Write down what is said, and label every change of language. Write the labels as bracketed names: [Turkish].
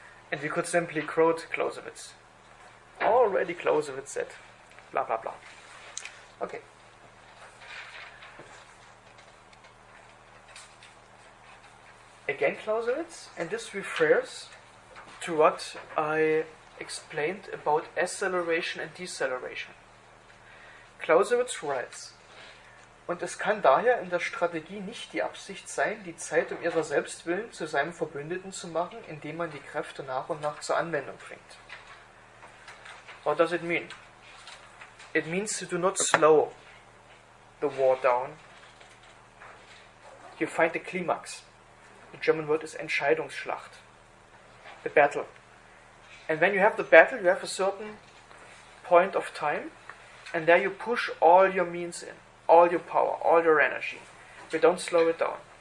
[English] And we could simply quote Clausewitz. Already Clausewitz said, blah, blah, blah. Okay. Again, Clausewitz, and this refers to what I explained about acceleration and deceleration. Clausewitz writes, [German] "Und es kann daher in der Strategie nicht die Absicht sein, die Zeit um ihrer selbst willen zu seinem Verbündeten zu machen, indem man die Kräfte nach und nach zur Anwendung bringt." [English] What does it mean? It means to do not slow the war down. You find the climax. The German word is Entscheidungsschlacht. The battle. And when you have the battle, you have a certain point of time, and there you push all your means in, all your power, all your energy. You don't slow it down.